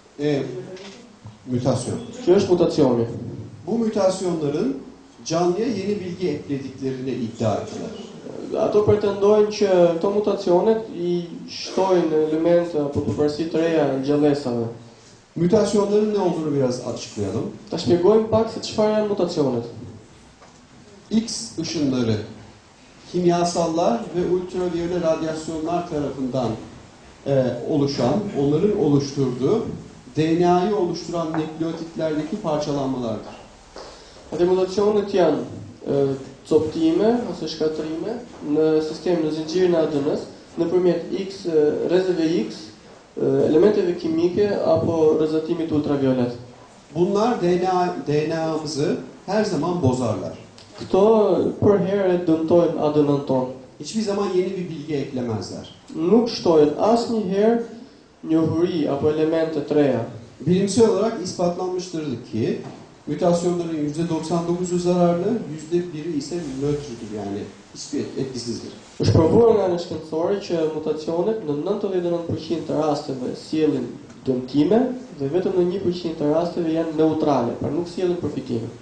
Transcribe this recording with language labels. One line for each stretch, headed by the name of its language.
Turkish: E, mutasyon.
Albanian: Që është mutacioni.
Turkish: Bu mutasyonların canlıya yeni bilgi eklediklerini iddia ettiler.
Albanian: Ato pretendojnë që këto mutacionet i shtojnë elemente apo përparësi të reja gjallësave.
Turkish: Mutacionların ne olduğunu biraz açıklayalım.
Albanian: Ta shpjegojmë pak se çfarë janë mutacionet.
Turkish: X ışınları kimyasallar ve ultraviyole radyasyonlar tarafından oluşan, onların oluşturduğu DNA'yı oluşturan nükleotitlerdeki parçalanmalardır.
Albanian: Hadi mutacionet janë coptime ose shkatrime në sistemin e zinxhirit të ADN-s nëpërmjet X rrezëve X elementeve kimike apo rrezatimit ultraviolet.
Turkish: Bunlar DNA'mızı her zaman bozarlar.
Albanian: Këto për herë dëmtojnë ADN-n tonë.
Turkish: Hiçbir zaman yeni bir bilgi eklemezler.
Albanian: Nuk shtojnë asnjëherë njohuri apo elemente të reja.
Turkish: Bilimsel olarak ispatlanmıştır ki mutasyonların %99'u zararlı, %1'i ise nötrdür, yani hiçbir etkisizdir.
Albanian: Është provuar nga shkencëtorë që mutacionet në 99% të rasteve sjellin dëmtime dhe vetëm në 1% të rasteve janë neutrale, pra nuk sjellin përfitime.